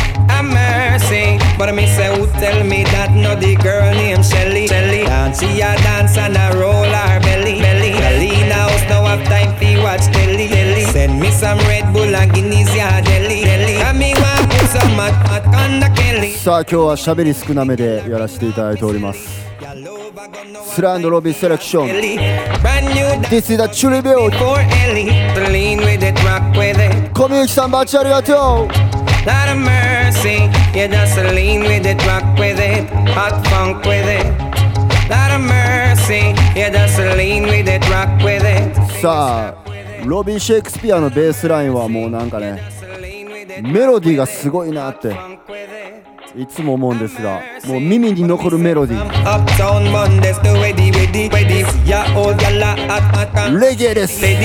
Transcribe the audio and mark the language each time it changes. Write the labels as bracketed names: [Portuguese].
[English] A mercy. But me say, who tell me that no the girl named Shelly? Shelly. And she a dance and a roll her belly. Belly. Belly. Now it's no have time to watch telly. Telly. Send me some Red Bull and Guinness, yeah, jelly. Jelly. And me want to put some hot, hot on the Kelly. [Japanese] さあ今日はしゃべり少なめでやらせていただいております。スライドロビーセレクション [English] This is a tribute [Japanese] コミュニティさんバッチありがとう。 [English] Lot of mercy, you just lean with it, rock with it, hot funk with it. Lot of mercy, you just lean with it, rock with it. [Japanese] さあロビーシェイクスピアのベースラインはもうなんかねメロディーがすごいなっていつも思うんですが、もう耳に残るメロディー。レゲエです。